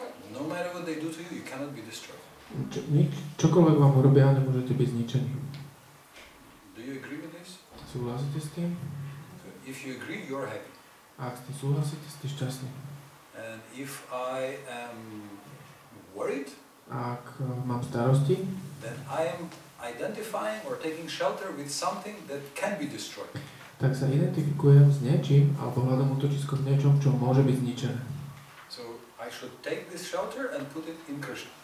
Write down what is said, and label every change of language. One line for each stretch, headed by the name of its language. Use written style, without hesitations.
English: No matter what they do to you, you cannot be destroyed.
Slovak: Čokoľvek vám urobia, nemôžete byť zničený.
English: Do you agree with this?
Slovak: Súhlasíte s tým?
English: If you agree, you're happy.
Slovak: Ak s tým súhlasíte, ste šťastní.
English: And if I am worried,
Slovak: ak mám starosti,
English: then I am identifying or taking shelter with something that can be destroyed.
Slovak: Tak sa identifikujem s niečím alebo hľadám útočisko v niečom, čo môže byť zničené.
English: So I should take this shelter and put it in Krishna.